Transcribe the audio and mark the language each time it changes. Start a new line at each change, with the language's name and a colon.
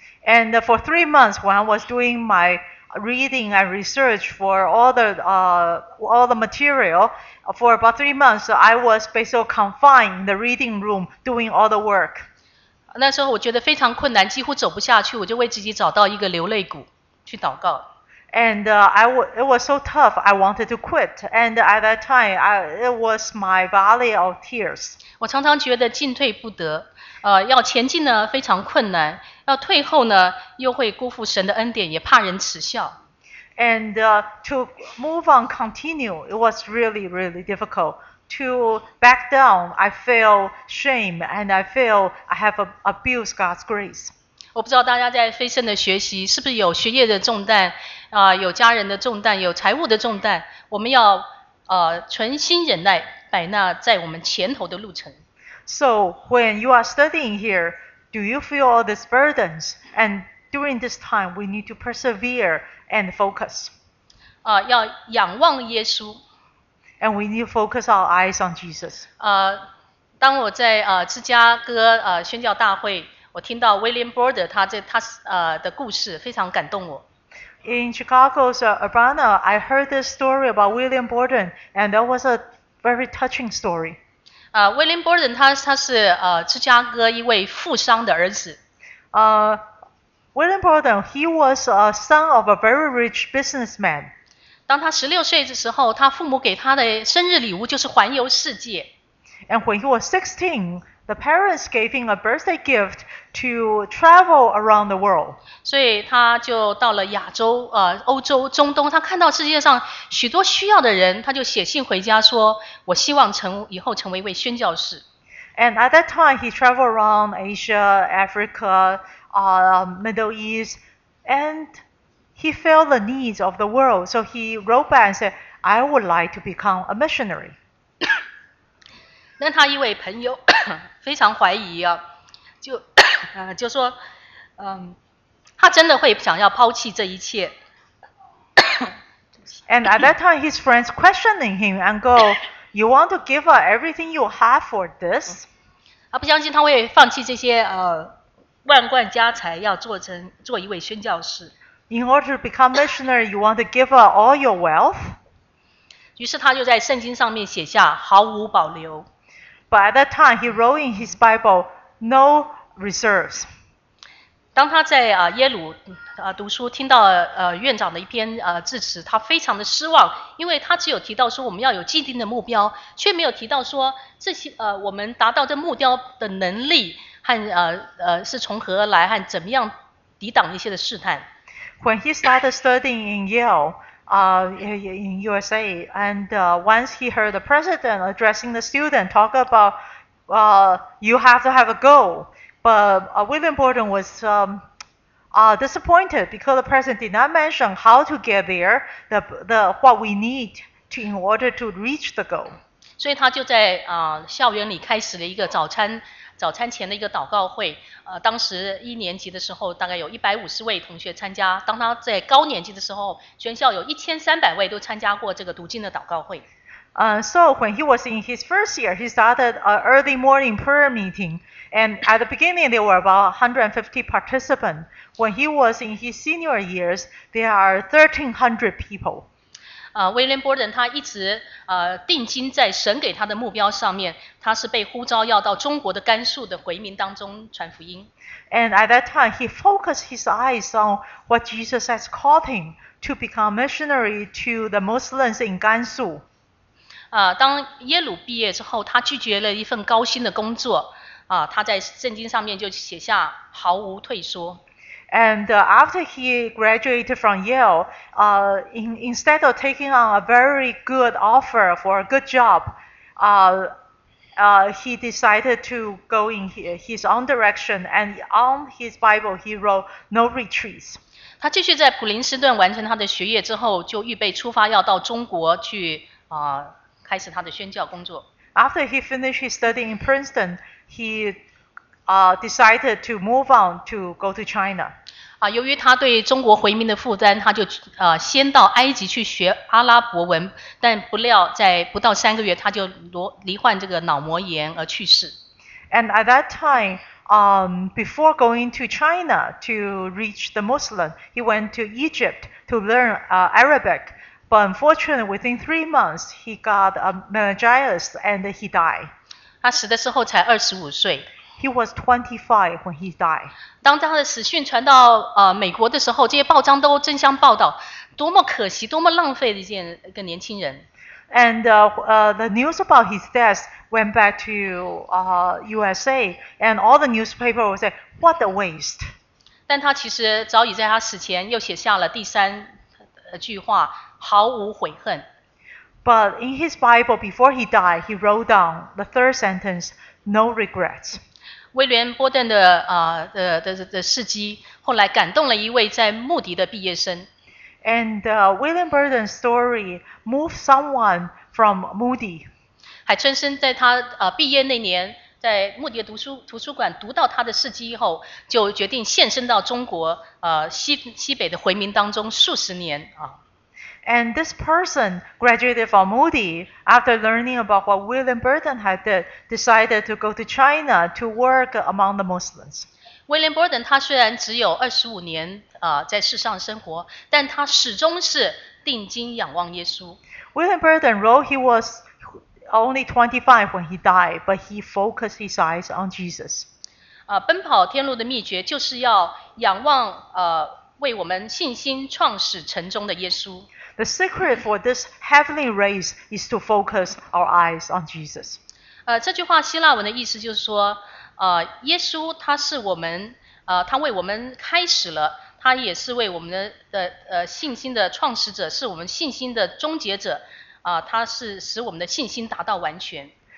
English: And for 3 months, when I was doing my reading and research for all the material, for about 3 months, I was basically confined in the reading room doing all the work.
Chinese: 那时候我觉得非常困难，几乎走不下去，我就为自己找到一个流泪谷去祷告。
English: And it was so tough, I wanted to quit. And at that time, it was my valley of tears.
Chinese: 我常常觉得进退不得，要前进呢非常困难，要退后呢又会辜负神的恩典，也怕人耻笑。
English: And to move on, continue, it was really, really difficult. To back down, I feel shame, and I feel I have abused God's grace.
Chinese: 我不知道大家在非圣的学习是不是有学业的重担，有家人的重担，有财务的重担。我们要存心忍耐，摆那在我们前头的路程。
English: So when you are studying here, do you feel all these burdens? And during this time, we need to persevere and focus.
Chinese: 要仰望耶稣。
English: And we need to focus our eyes on Jesus.
Chinese: 当我在芝加哥宣教大会，我听到 William Border 他的故事，非常感动我。
English: In Chicago's Urbana, I heard this story about William Border, and that was a very touching story.
Chinese: William Border 他是芝加哥一位富商的儿子。
English: William Border, he was a son of a very rich businessman.
Chinese: 当他十六岁的时候，他父母给他的生日礼物就是环游世界。
English: And when he was 16, the parents gave him a birthday gift to travel around the world.
Chinese: 所以他就到了亚洲、欧洲、中东，他看到世界上许多需要的人，他就写信回家说：“我希望以后成为一位宣教士。”
English: And at that time, he traveled around Asia, Africa, Middle East, and He felt the needs of the world, so he wrote back and said, "I would like to become a missionary."
Chinese: 那他一位朋友非常怀疑啊，就说，他真的会想要抛弃这一切。
English: And at that time, his friends questioning him and go, "You want to give up everything you have for this?"
Chinese: 他不相信他会放弃这些万贯家财，要做一位宣教士。
English: In order to become missionary, you want to give up all your wealth?
Chinese: 于是他就在圣经上面写下毫无保留。
English: But at that time, he wrote in his Bible, "No reserves."
Chinese: 当他在耶鲁读书，听到院长的一篇致辞，他非常的失望，因为他只有提到说我们要有既定的目标，却没有提到说这些我们达到这目标的能力和是从何而来，和怎么样抵挡一些的试探。
English: When he started studying in Yale, in USA, and once he heard the president addressing the student talk about, you have to have a goal. But William Borden was disappointed because the president did not mention how to get there, the what we need to in order to reach the goal.
Chinese: 所以他就在校园里开始了一个早餐前的一个祷告会，当时一年级的时候大概有150位同学参加，当他在高年级的时候，全校有1300位都参加过这个读经的祷告会。
English: So when he was in his first year, he started an early morning prayer meeting, and at the beginning there were about 150 participants. When he was in his senior years, there are 1300 people.
Chinese: William Borden 他一直定睛在神给他的目标上面，他是被呼召要到中国的甘肃的回民当中传福音。
English: And at that time, he focused his eyes on what Jesus has called him to become missionary to the Muslims in Gansu.
Chinese: 当耶鲁毕业之后，他拒绝了一份高薪的工作，他在圣经上面就写下毫无退缩。
English: And after he graduated from Yale, instead of taking on a very good offer for a good job, he decided to go in his own direction. And on his Bible, he wrote "No retreats."
Chinese: 他继续在普林斯顿完成他的学业之后，就预备出发要到中国去开始他的宣教工作。
English: After he finished his study in Princeton, he decided to move on to go to China.
Chinese: 由于他对中国回民的负担，他就先到埃及去学阿拉伯文，但不料在不到三个月，他就罹患这个脑膜炎而去世。
English: And at that time, before going to China to reach the Muslim, he went to Egypt to learn Arabic. But unfortunately, within 3 months, he got a meningitis and he died.
Chinese: 他死的时候才25岁。
English: He was 25 when he died.
Chinese: 当他的死讯传到美国的时候，这些报章都争相报道，多么可惜，多么浪费的一个年轻人。
English: And the news about his death went back to USA, and all the newspapers would say, "What a waste!"
Chinese: 但他其实早已在他死前又写下了第三句话，毫无悔恨。
English: But in his Bible, before he died, he wrote down the third sentence, "No regrets."
Chinese: 威廉·波顿的事迹后来感动了一位在穆迪的毕业生。
English: And William Burden's story moved someone from Moody.
Chinese: 海春生在他毕业那年，在穆迪的图书馆读到他的事迹以后，就决定献身到中国西北的回民当中数十年啊。
English: And this person graduated from Moody after learning about what William Borden had did, decided to go to China to work among the Muslims.
Chinese: William Borden, 他虽然只有25年在世上生活，但他始终是定睛仰望耶稣。
English: William Borden wrote he was only 25 when he died, but he focused his eyes on Jesus.
Chinese: 奔跑天路的秘诀就是要仰望为我们信心创始成终的耶稣。
English: The secret for this heavenly race is to focus our eyes on Jesus.
Chinese: 这句话希腊文的意思就是说，耶稣他是我们，他为我们开始了，他也是为我们的信心的创始者，是我们信心的终结者，他是使我们的信心达到完全。